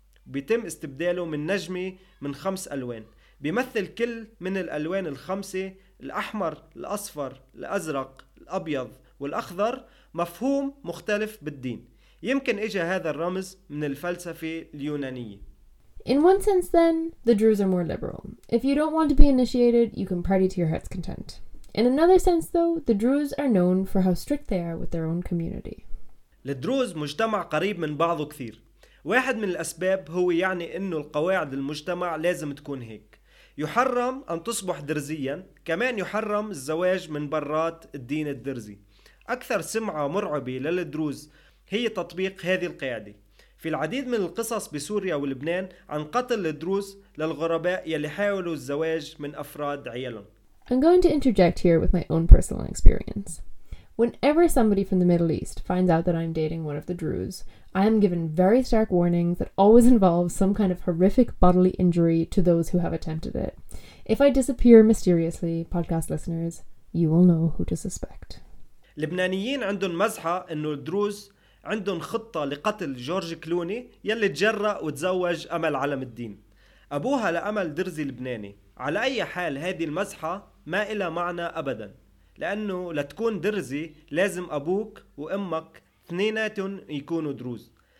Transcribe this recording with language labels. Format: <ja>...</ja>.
<ar>بيتم استبداله من نجمة من 5 ألوان. بيمثل كل من الألوان 5، الأحمر، الأصفر، الأزرق، الأبيض والأخضر، مفهوم مختلف بالدين. يمكن إجا هذا الرمز من الفلسفة اليونانية.</ar> <en>In one sense then, the Druze are more liberal. If you don't want to be initiated, you can party to your heart's content. In another sense though, the Druze are known for how strict they are with their own community.</en> <ar>الدروز مجتمع قريب من بعضه كثير. واحد من الأسباب هو يعني أنه القواعد المجتمع لازم تكون هيك. يحرم أن تصبح درزيا، كمان يحرم الزواج من برات الدين الدرزي. أكثر سمعة مرعبة للدروز هي تطبيق هذه القاعدة. في العديد من القصص بسوريا ولبنان عن قتل الدروز للغرباء يلي حاولوا الزواج من أفراد عيالهم.</ar> <en>I'm going to interject here with my own personal experience. Whenever somebody from the Middle East finds out that I'm dating one of the Druze, I am given very stark warnings that always involve some kind of horrific bodily injury to those who have attempted it. If I disappear mysteriously, podcast listeners, you will know who to suspect.</en> <ar>لبنانيين عندهم مزحة إنه الدروز عندهم خطة لقتل جورج كلوني يلي تجرأ وتزوج أمل علم الدين. أبوها لأمل درزي لبناني. على أي حال هذه المزحة ما إلى معنى أبداً. لأنه لتكون درزي لازم أبوك وأمك اثنيناتهم يكونوا دروز.</ar>